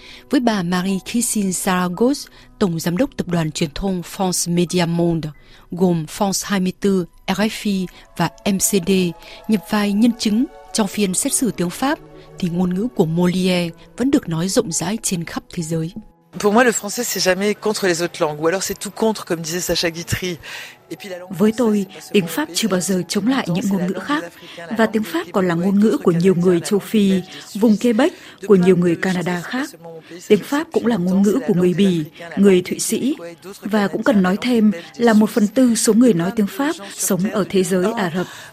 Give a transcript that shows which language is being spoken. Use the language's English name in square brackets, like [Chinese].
[Vietnamese] Với bà Marie-Christine Saragos, Tổng Giám đốc Tập đoàn Truyền thông France Media Monde, gồm France 24, RFI và MCD, nhập vai nhân chứng trong phiên xét xử tiếng Pháp, thì ngôn ngữ của Molière vẫn được nói rộng rãi trên khắp thế giới. [French] Pour moi, le français, c'est jamais contre les autres langues, ou alors c'est tout contre, comme disait Sacha Guitry. [Vietnamese] Với tôi, tiếng Pháp chưa bao giờ chống lại những ngôn ngữ khác, và tiếng Pháp còn là ngôn ngữ của nhiều người châu Phi, vùng Quebec, của nhiều người Canada khác. Tiếng Pháp cũng là ngôn ngữ của người Bỉ, người Thụy Sĩ, và cũng cần nói thêm là 1/4 số người nói tiếng Pháp sống ở thế giới Ả Rập.